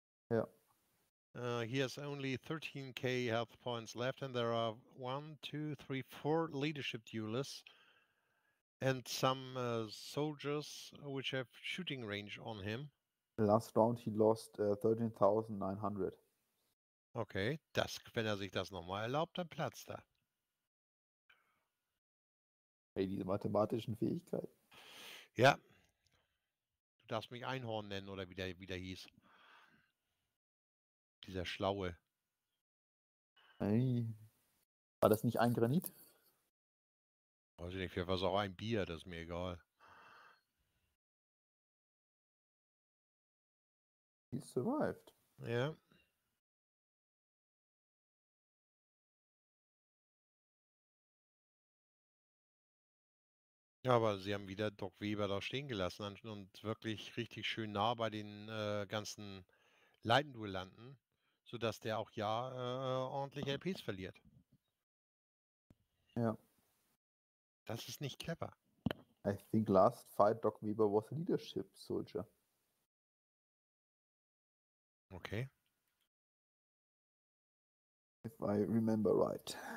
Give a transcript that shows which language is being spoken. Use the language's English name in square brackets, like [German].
[English] Yeah. He has only 13,000 health points left, and there are 1, 2, 3, 4 leadership duelists. And some soldiers which have shooting range on him. Last round he lost 13,900. [German] Okay, das, wenn sich das nochmal erlaubt, dann platzt er. Hey, diese mathematischen Fähigkeiten. Ja. Du darfst mich Einhorn nennen, oder wie der hieß. Dieser Schlaue. Hey. War das nicht ein Granit? Weiß ich nicht, vielleicht war es auch ein Bier, das ist mir egal. [English] He survived. Ja. Yeah. [German] Ja, aber sie haben wieder Doc Weber da stehen gelassen und wirklich richtig schön nah bei den ganzen Leitenduellanten, sodass der auch ja ordentlich LPs verliert. Ja. Yeah. Das ist nicht clever. [English] I think last fight Doc Weber was a leadership soldier. Okay. If I remember right.